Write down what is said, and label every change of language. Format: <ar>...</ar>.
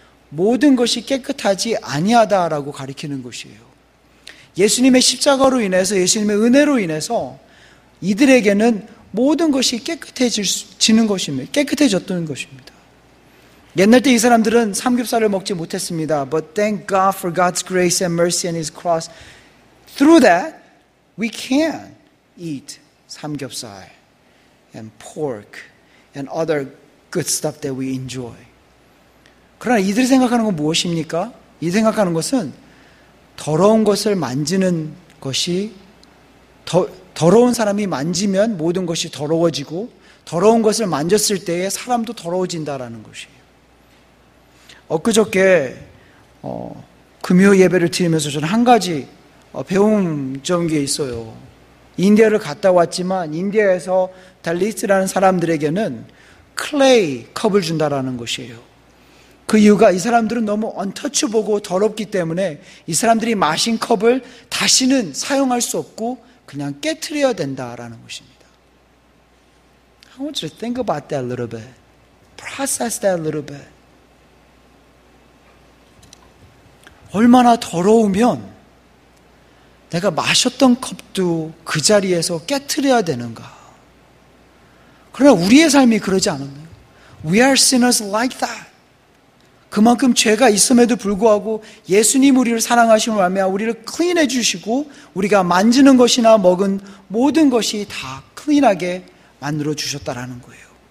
<ko>모든 것이 깨끗하지 아니하다라고 가리키는 것이에요. 예수님의 십자가로 인해서, 예수님의 은혜로 인해서 이들에게는 모든 것이 깨끗해지는 것입니다. 깨끗해졌던 것입니다. 옛날 때 이 사람들은 삼겹살을 먹지 못했습니다.</ko> <en>But thank God for God's grace and mercy and His cross. Through that, we can eat 삼겹살. And pork and other good stuff that we enjoy.</en> <ko>그러나 이들이 생각하는 건 무엇입니까? 이들이 생각하는 것은 더러운 것을 만지는 것이 더러운 사람이 만지면 모든 것이 더러워지고 더러운 것을 만졌을 때에 사람도 더러워진다라는 것이에요. 엊그저께 금요 예배를 드리면서 저는 한 가지 배움적인 게 있어요. 인디아를 갔다 왔지만 인디아에서 달리스라는 사람들에게는 클레이 컵을 준다라는 것이에요. 그 이유가 이 사람들은 너무 언터치보고 더럽기 때문에 이 사람들이 마신 컵을 다시는 사용할 수 없고 그냥 깨트려야 된다라는 것입니다.</ko> <en>I want you to think about that a little bit. Process that a little bit.</en> <ko>얼마나 더러우면 내가 마셨던 컵도 그 자리에서 깨트려야 되는가? 그러나 우리의 삶이 그러지 않았나요?</ko> <en>We are sinners like that.</en> <ko>그만큼 죄가 있음에도 불구하고 예수님 우리를 사랑하심을 말미암아 우리를 클린해 주시고 우리가 만지는 것이나 먹은 모든 것이 다 클린하게 만들어 주셨다라는 거예요.</ko>